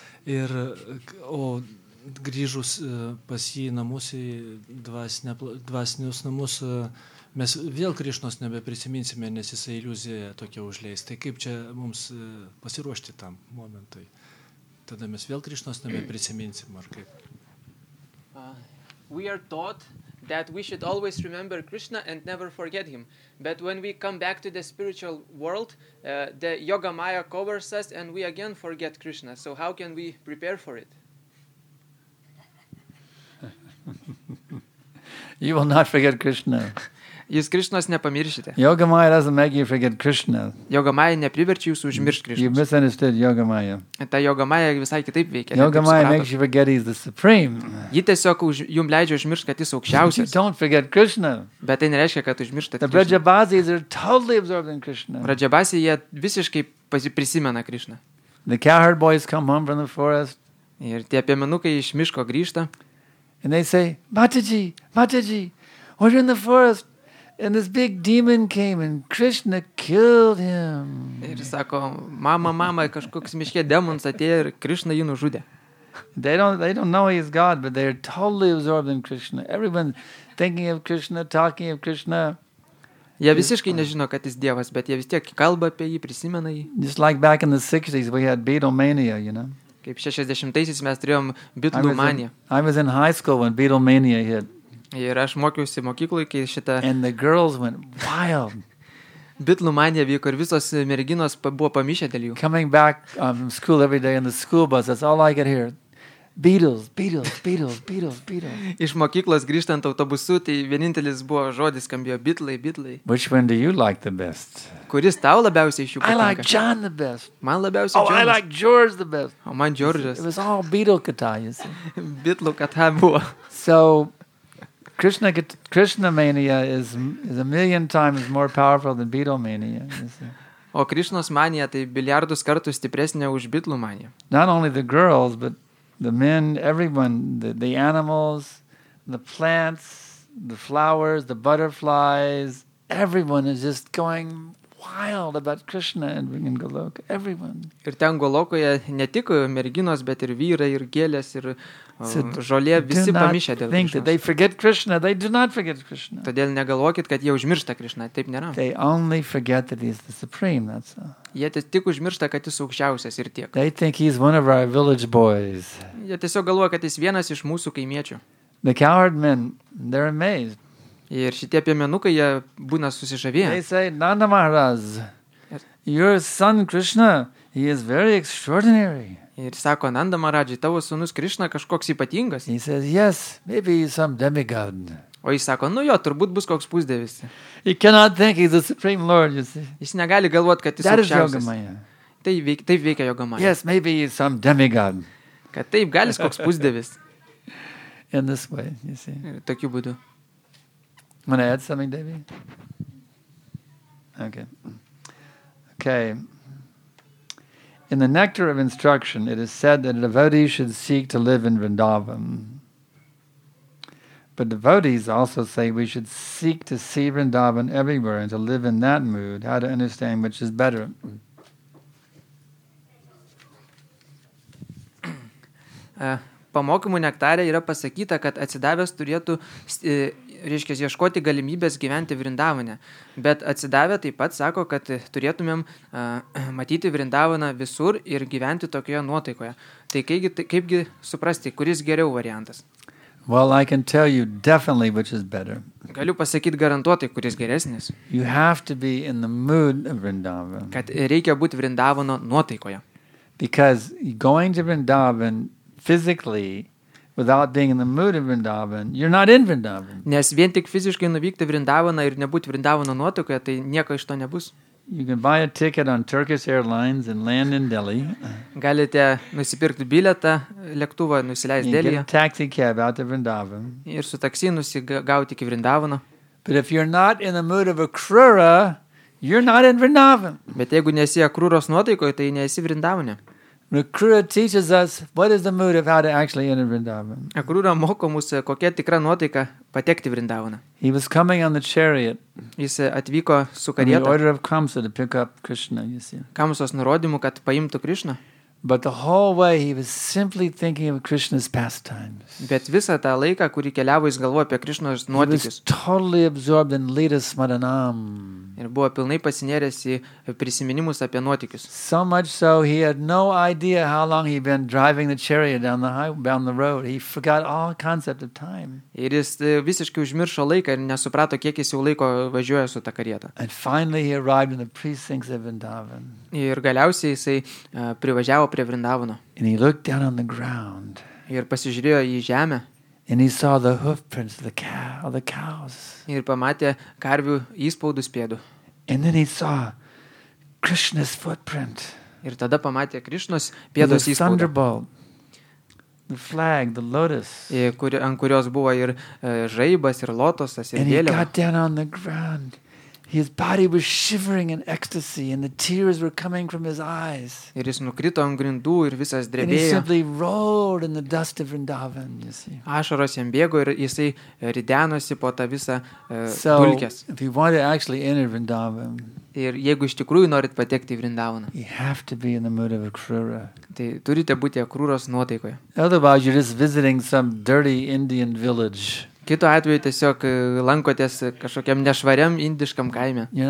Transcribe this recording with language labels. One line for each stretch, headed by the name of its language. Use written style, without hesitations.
Lithuanian: Ir, o grįžus pas jį namus į dvasinius namus, mes vėl Krišnos nebeprisiminsime, nes jis iliuzija tokia užleis. Tai kaip čia mums pasiruošti tam momentui? Tada mes vėl Krišnos nebeprisiminsime, ar kaip?
English: We are taught that we should always remember Krishna and never forget him. But when we come back to the spiritual world, the yoga maya covers us and we again forget Krishna. So how can we prepare for it? You will not forget Krishna.
Lithuanian: Jūs Krišnos nepamiršite.
English: Yoga maya doesn't make you forget Krishna.
Lithuanian: Yoga maya nepriverčia jūsų užmiršti Krišną.
English: You misunderstood yoga maya.
Lithuanian: Ta yoga maya visai kitaip veikia.
English: Yoga maya makes you forget he's the supreme.
Lithuanian: Ji tiesiog jums leidžia užmiršti, kad jis aukščiausias.
English: You don't forget Krishna.
Lithuanian: Bet tai nereiškia, kad užmirštate
English: Krišną. The Vrajabhasis are totally absorbed in Krishna.
Lithuanian: Vrajabhasis jie visiškai prisimena Krišną.
English: The cowherd boys come home from the forest.
Lithuanian: Ir tie piemenukai iš miško grįžta.
English: And they say, Mataji, Mataji, we're in the forest. And this big demon came and Krishna killed him.
Lithuanian: Ir sako, mama, mama, kažkoks miške demons atėjo ir Krishna jį nužudė.
English: They don't know he's God, but they're totally absorbed in Krishna. Everyone thinking of Krishna, talking of Krishna.
Lithuanian: Jie visiškai nežino, kad jis Dievas, bet jie vis tiek kalba apie jį, prisimena jį.
English: Just like back in the 60s we had Beatlemania, you know.
Lithuanian: Kaip 60-aisiais mes turėjom Beatlemania.
English: I was in high school when Beatlemania hit.
Lithuanian: Ir aš mokiausi mokykloje, kai šita...
English: And the girls went wild.
Lithuanian: Beatlemania vyko ir visos merginos buvo pamišę dėl jų.
English: Coming back from school every day in the school bus, that's all I could hear. Beatles, Beatles, Beatles, Beatles, Beatles.
Lithuanian: Iš mokyklos grįžtant autobusu, tai vienintelis buvo žodis, skambėjo Beatles, Beatles.
English: Which one do you like the best?
Lithuanian: Kuris tau labiausiai iš jų patinka?
English: I like John the best.
Lithuanian: Man labiausiai Oh, Jonas.
English: I like George the best.
Lithuanian: O man George'as.
English: It was all Beatles kata, you see.
Lithuanian: Beatles kata buvo.
English: So... Krishna mania is a million times more powerful than Beatlemania.
Lithuanian: O Krishnos manija tai biliardus kartų stipresnė už Beatles manija.
English: Not only the girls, but the men, everyone, the animals, the plants, the flowers, the butterflies, everyone is just going wild about Krishna and in Goloka. Everyone.
Lithuanian: Ir ten Golokoje ne tik merginos, bet ir vyrai, ir gėlės, ir žolė, visi pamišę dėl
English: Krishna. They forget Krishna. They do not forget Krishna.
Lithuanian: Todėl negalvokit, kad jie užmiršta Krishna. Taip nėra.
English: They only forget that he's the supreme. That's all.
Lithuanian: Jie tik užmiršta, kad jis aukščiausias ir tiek.
English: They think he's one of our village boys.
Lithuanian: Jie tiesiog galvoja, kad jis vienas iš mūsų kaimiečių.
English: The coward men, they're amazed.
Lithuanian: Ir šitie piemenukai, jie būna susižavėję.
English: They say, Nanda Maharaj, your son Krishna, he is very extraordinary.
Lithuanian: Ir sako, Nanda Maharaj, tavo sūnus Krishna kažkoks ypatingas.
English: He says, yes, maybe he's some demigod.
Lithuanian: O jis sako, nu jo, turbūt bus koks pusdėvis.
English: He cannot think he's the supreme lord, you see.
Lithuanian: Jis negali galvoti, kad jis
English: That
Lithuanian: aukščiausias.
English: Is yoga maya.
Lithuanian: Taip veikia yoga maya.
English: Yes, maybe he's some demigod.
Lithuanian: Kad taip galis koks pusdėvis.
English: In this way, you see.
Lithuanian: Ir tokiu būdu.
English: Want to add something, Devi? Okay. In the nectar of instruction, it is said that a devotee should seek to live in Vrindavan. But devotees also say we should seek to see Vrindavan everywhere and to live in that mood. How to understand which is better?
Lithuanian: Pamokymų nektare yra pasakyta, kad atsidavęs turėtų, reiškia, ieškoti galimybės gyventi Vrindavane. Bet atsidavę taip pat sako, kad turėtumėm matyti Vrindavaną visur ir gyventi tokioje nuotaikoje. Tai kaipgi suprasti, kuris geriau variantas?
English: Well, I can tell you definitely which is better.
Lithuanian: Galiu pasakyti garantuotai, kuris geresnis.
English: You have to be in the mood of Vrindavan.
Lithuanian: Kad reikia būti Vrindavano nuotaikoje.
English: Because going to Vrindavan physically, without being in the mood of Vrindavan, you're not in Vrindavan.
Lithuanian: Nes vien tik fiziškai nuvykti Vrindavaną ir nebūti Vrindavano nuotaikoje, tai nieko iš to nebus.
English: You can buy a ticket on Turkish Airlines and land in Delhi.
Lithuanian: Galite nusipirkti bilietą lėktuvą nusileis Delyje.
English: Get a taxi cab out to Vrindavan.
Lithuanian: Ir su taksi nusigauti iki Vrindavano.
English: But if you're not in the mood of Akrura, You're not in Vrindavan.
Lithuanian: Bet jeigu nesi akrūros nuotaikoje, tai nesi Vrindavane.
English: Akrūra teaches us what is the mood of how to actually enter Vrindavan.
Lithuanian: Akrūra moko mus, kokia tikra nuotaika patekti Vrindavaną.
English: He was coming on the chariot.
Lithuanian: Jis atvyko su karieta.
English: The order of Kamsa to pick up Krishna, you see.
Lithuanian: Kamsos nurodymu, kad paimtų Krishna.
English: But the whole way he was simply thinking of Krishna's pastimes.
Lithuanian: Bet visą tą laiką, kurį keliavo, jis galvojo apie Krishnos nuotykius.
English: He was totally absorbed in Lita Smaranam.
Lithuanian: Ir buvo pilnai pasinėręs į prisiminimus apie nuotykius.
English: So much so he had no idea how long he'd been driving the chariot down the road. He forgot all concept of time.
Lithuanian: Ir jis visiškai užmiršo laiką ir nesuprato, kiek jis jau laiko važiuoja su ta karieta.
English: And finally he arrived in the precincts of Vrindavan.
Lithuanian: Ir galiausiai jisai privažiavo prie Vrindavano.
English: And he looked down on the ground.
Lithuanian: Ir pasižiūrėjo į žemę.
English: And he saw the hoof prints of the cow, the cows.
Lithuanian: Ir pamatė karvių įspaudus pėdų.
English: And then he saw Krishna's footprint.
Lithuanian: Ir tada pamatė Krishnos pėdos įspaudą.
English: The flag, the lotus.
Lithuanian: Ant kurios buvo ir žaibas, ir lotosas, ir vėliava.
English: And he got down on the ground. His body was shivering in ecstasy and the tears were coming from his eyes.
Lithuanian: Ir jis nukrito ant grindų ir visas drebėjo.
English: And he simply rolled in the dust of Vrindavan, you see.
Lithuanian: Ašaros jam bėgo ir jisai ridenosi po tą visą dulkes.
English: If you want to actually enter Vrindavan,
Lithuanian: ir jeigu iš tikrųjų norit patekti į Vrindavaną,
English: you have to be in the mood of Akrūra.
Lithuanian: Tai turite būti Akrūros nuotaikoje.
English: Otherwise, you're just visiting some dirty Indian village.
Lithuanian: Kitu atveju tiesiog lankotės kažkokiam nešvariam indiškam kaime.